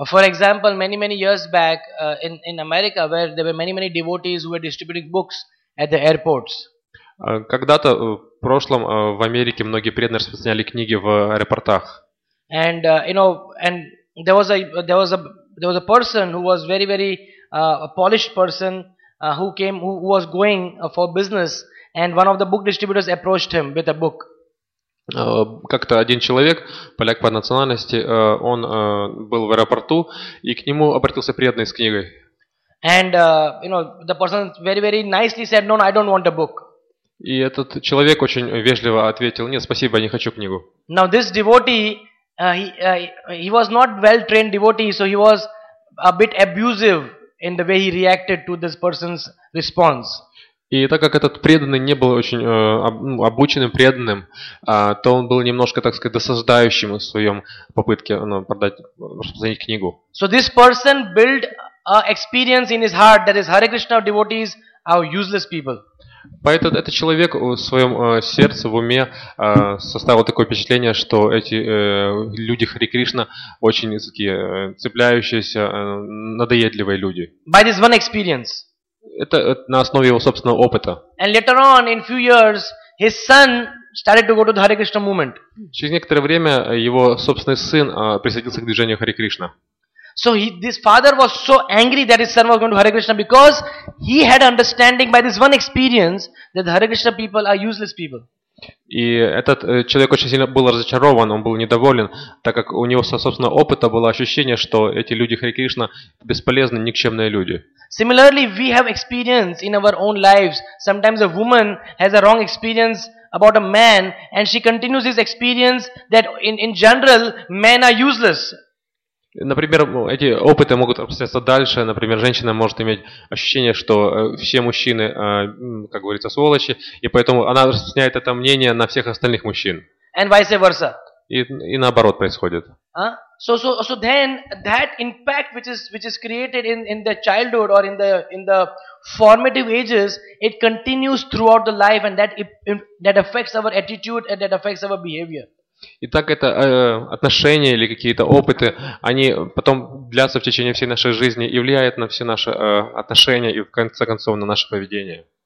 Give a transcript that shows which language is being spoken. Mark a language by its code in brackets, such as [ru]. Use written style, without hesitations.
[en] For example, many years back in America, where there were many devotees who were distributing books at the airports. [ru] Когда-то в прошлом в Америке многие преданные распространяли книги в аэропортах. [en] And there was a person who was very a polished person who was going for business, and one of the book distributors approached him with a book. [ru] Как-то один человек, поляк по национальности, он был в аэропорту, и к нему обратился преданный с книгой. [en] And the person very nicely said, "No, I don't want a book." [ru] И этот человек очень вежливо ответил: "Нет, спасибо, я не хочу книгу." [en] Now this devotee, he was not well trained devotee, so he was a bit abusive in the way he reacted to this person's response. [ru] И так как этот преданный не был очень обученным преданным, то он был немножко, так сказать, досаждающим в своем попытке распространить книгу. [en] So this person built an experience in his heart that is, Hare Krishna devotees are useless people. [ru] Поэтому этот человек в своем сердце, в уме составил такое впечатление, что эти люди Хари Кришна очень такие цепляющиеся, надоедливые люди. [en] By this one experience. [ru] Это на основе его собственного опыта. [en] And later on, in few years, his son started to go to the Hare Krishna movement. [ru] Через некоторое время его собственный сын присоединился к движению Хари Кришна. [en] So this father was so angry that his son was going to Hare Krishna because he had understanding by this one experience that the Hare Krishna people are useless people. [ru] И этот человек очень сильно был разочарован, он был недоволен, так как у него со собственного опыта было ощущение, что эти люди Хари Кришна бесполезны, никчемные люди. [en] Similarly, we have experience in our own lives. Sometimes a woman has a wrong experience about a man, and she continues this experience that in general men are useless. [ru] Например, эти опыты могут распространяться дальше. Например, женщина может иметь ощущение, что все мужчины, как говорится, сволочи, и поэтому она распространяет это мнение на всех остальных мужчин. [en] And vice versa. [ru] И наоборот происходит. [en] So then that impact which is created in the childhood or in the formative ages, it continues throughout the life, and that affects our attitude and that affects our behavior. [ru] Итак, это отношения или какие-то опыты, они потом длятся в течение всей нашей жизни и влияют на все наши отношения и, в конце концов, на наше поведение.